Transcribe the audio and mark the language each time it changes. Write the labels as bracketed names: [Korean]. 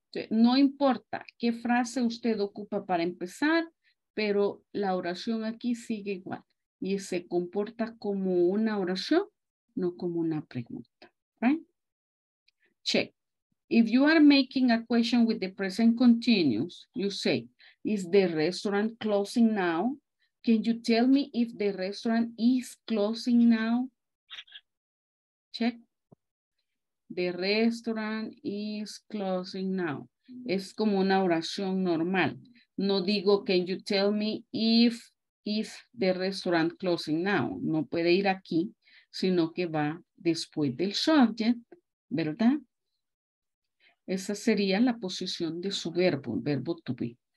[Spanish] No importa qué frase usted ocupa para empezar, pero la oración aquí sigue igual. Y se comporta como una oración, no como una pregunta. [English] Right? Check. If you are making a question with the present continuous, you say, is the restaurant closing now? Can you tell me if the restaurant is closing now? Check. The restaurant is closing now. [Spanish] Es como una oración normal. No digo, [English] can you tell me if is the restaurant closing now? [Spanish] No puede ir aquí, sino que va después del subject, ¿verdad? Esa sería la posición de su verbo, el verbo to be.